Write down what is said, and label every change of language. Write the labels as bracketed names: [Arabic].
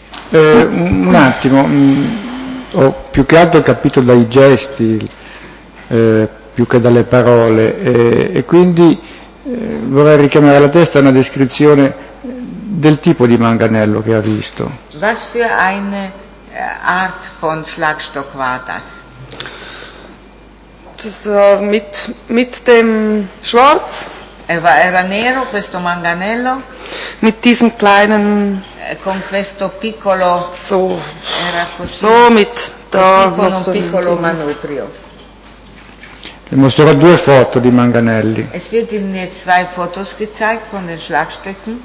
[Italian] un attimo, ho più che altro capito dai gesti più che dalle parole, e quindi vorrei richiamare alla testa una descrizione del tipo di manganello che ha visto. [German] Was für eine Art von Schlagstock war das? Das war mit dem Schwarz. [Italian] Era nero questo manganello. [German] Mit diesem kleinen. [Italian] Con questo piccolo. [German] So. [Italian] Era così. [German] So mit da. [Italian] Con un piccolo manubrio. Vi mostrerò due foto di manganelli. [German] Es wird Ihnen jetzt zwei Fotos gezeigt von den Schlagstöcken.